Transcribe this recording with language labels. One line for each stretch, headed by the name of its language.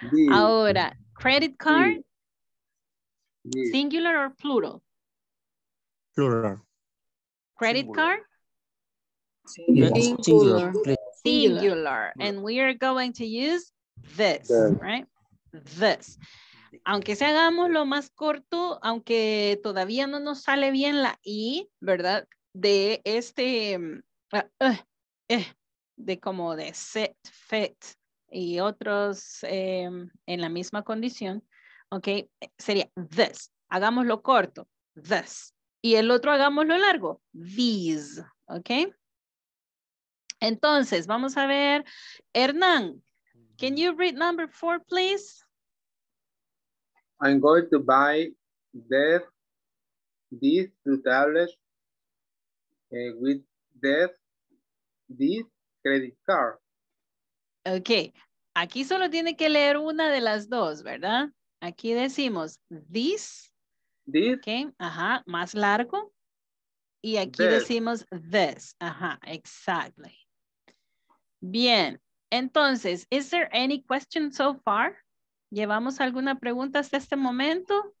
Spanish: Ahora,
English: credit card, singular or plural? Plural. Credit card? Singular. And we are going to use this, right? This.
Spanish: Aunque se hagamos lo más corto, aunque todavía no nos sale bien la I, ¿verdad? De este, de como de set, fit y otros en la misma condición, ¿ok? Sería this. Hagámoslo corto, this. Y el otro hagámoslo largo, these, ¿ok? Entonces, vamos a ver,
English: Hernán, can you read number four, please? I'm going to buy these two tablets with this credit card. Okay.
Spanish: Aquí solo tiene que leer una de las dos, ¿verdad? Aquí decimos this.
English: This.
Spanish: Okay. Ajá. Más largo. Y aquí decimos this. Ajá.
English: Exactly.
Spanish: Bien. Entonces,
English: is there any question so far?
Spanish: ¿Llevamos alguna pregunta hasta este momento?